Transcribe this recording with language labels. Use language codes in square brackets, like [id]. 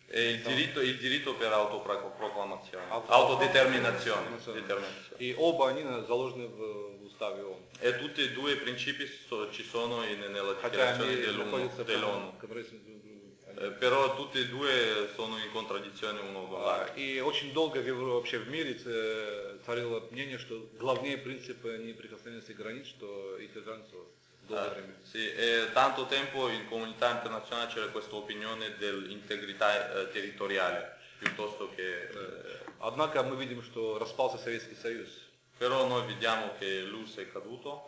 [it] E il diritto per autoproclamazione, autodeterminazione. [ru] И оба они заложены в уставе ООН. [it] E tutti e due i principi ci sono nella dichiarazione dell'ONU. Però tutti e due sono in contraddizione uno con l'altro. [ru] И очень долго вообще в мире царило мнение, что главные принципы неприкосновенности границ, что и территориальность. [it] Sì, e tanto tempo in comunità internazionale c'era questa opinione dell'integrità territoriale, piuttosto che. [ru] Однако мы видим, что распался Советский Союз. [it] Però noi vediamo che l'URSS è caduto.